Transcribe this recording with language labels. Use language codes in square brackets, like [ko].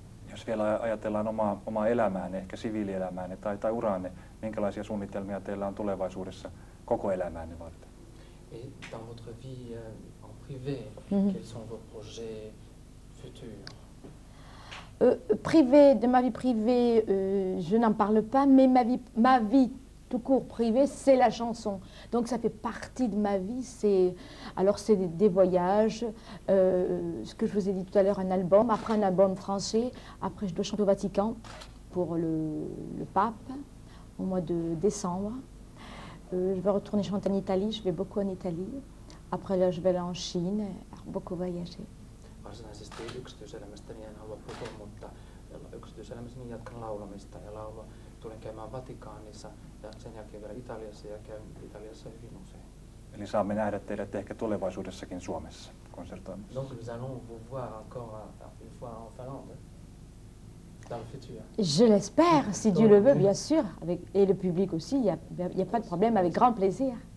[fi] Jos vielä ajatellaan omaa elämääne, ehkä siviilielämääne tai uraanne, minkälaisia suunnitelmia teillä on tulevaisuudessa koko elämääne varten? [fr] Et dans votre vie en privé, quels sont vos projets futurs? Privé, de ma vie privée, je n'en parle pas, mais ma vie tout court privée, c'est la chanson. Donc ça fait partie de ma vie. C'est des voyages, ce que je vous ai dit tout à l'heure, un album, après un album français, après je dois chanter au Vatican pour le pape au mois de décembre. Je vais retourner chanter en Italie, je vais beaucoup en Italie. Après là, je vais aller en Chine, beaucoup voyager. [fi] Varsinaisesti yksityiselämästäni en halua puhua, mutta yksityiselämästäni jatkan laulamista ja laulua. Tulen käymään Vatikaanissa ja sen jälkeen vielä Italiassa ja käyn Italiassa hyvin usein. Eli saamme nähdä teidät ehkä tulevaisuudessakin Suomessa konsertoimassa. [fr] Donc nous allons vous voir encore une fois en Finlande. Je l'espère, si Dieu le veut, bien sûr, et le public aussi, il n'y a pas de problème, avec grand plaisir.